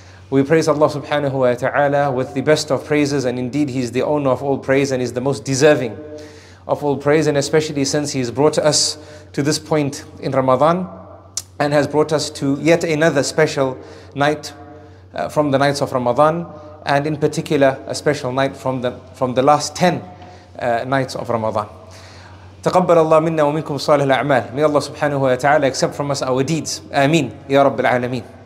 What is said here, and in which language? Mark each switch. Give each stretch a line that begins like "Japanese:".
English: We praise Allah subhanahu wa ta'ala with the best of praises, and indeed He is the owner of all praise and is the most deserving of all praise, and especially since He has brought us to this point in Ramadan and has brought us to yet another special night from the nights of Ramadan, and in particular a special night from the last 10 nights of Ramadan.
Arabic: تقبل الله منا ومنكم صالح الأعمال.
English: May Allah subhanahu wa ta'ala accept from us our deeds. Ameen ya Rabbil Alameen.